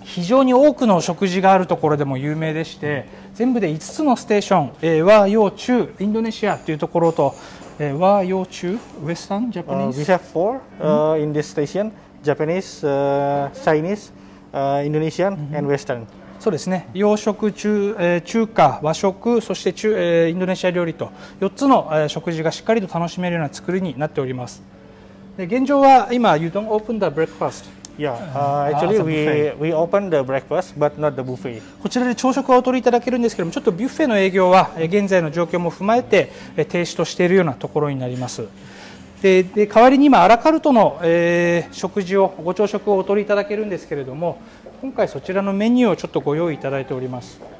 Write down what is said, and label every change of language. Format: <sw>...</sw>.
<ja>非常に多くの食事があるところでも有名でして、全部で5つのステーション、和洋中インドネシアというところと、和洋中ウェスタンジャパニーズ。</ja> <en>We have four in this station: Japanese, Chinese, Indonesian, and Western.</en> <ja>そうですね、洋食 中華和食そして中、インドネシア料理と4つの、食事がしっかりと楽しめるような作りになっております。で現状は今</ja> <en>You don't open the breakfast Actually we open the breakfast but not the buffet.</en> <ja>こちらで朝食をお取りいただけるんですけども、ちょっとビュッフェの営業は現在の状況も踏まえて停止としているようなところになります。で代わりに今アラカルトの、食事をご朝食をお取りいただけるんですけれども、今回そちらのメニューをちょっとご用意いただいております。</ja>